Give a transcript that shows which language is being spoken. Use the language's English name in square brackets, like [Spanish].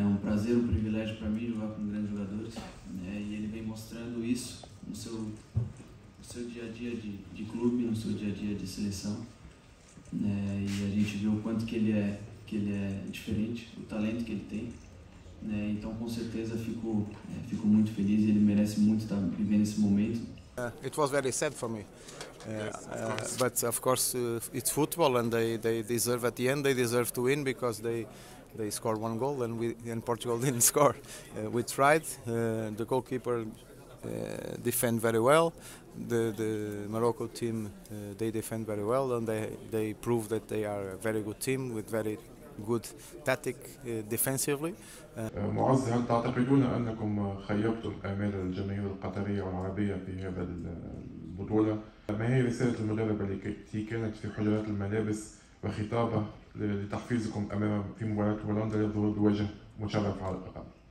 [Portuguese] É um prazer, um privilégio para mim jogar com grandes jogadores. É, e ele vem mostrando isso no seu dia a dia de clube, no seu dia a dia de seleção. Né? E a gente vê o quanto que ele é diferente, o talento que ele tem. Né? Então, com certeza, fico muito feliz. Ele merece muito estar vivendo esse momento. [English] It was very sad for me, but of course it's football and they deserve, at the end they deserve to win because they scored one goal and we Portugal didn't score. We tried, the goalkeeper defend very well, the Morocco team they defend very well and they prove that they are a very good team with very good tactic defensively. [Arabic] معز, هل تعتقدون أنكم خيبتم أمال الجماهير القطرية والعربية في هذا البطولة. ما هي رسالة المدرب اللي كانت في حجرات الملابس وخطابه لتحفيزكم أمام في مباراة هولندا لظهور وجه مشرف على الأقل؟